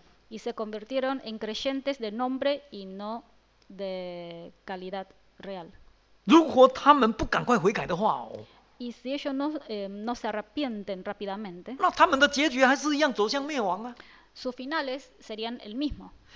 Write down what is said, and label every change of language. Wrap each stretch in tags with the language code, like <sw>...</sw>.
<es>Y se convirtieron en creyentes de nombre y no de calidad real.</es> <zh>如果他们不赶快悔改的话,</zh> <es>y si ellos no, no se arrepienten rápidamente,</es> <zh>那他们的结局还是一样走向灭亡啊,</zh> <es>sus finales serían el mismo.</es>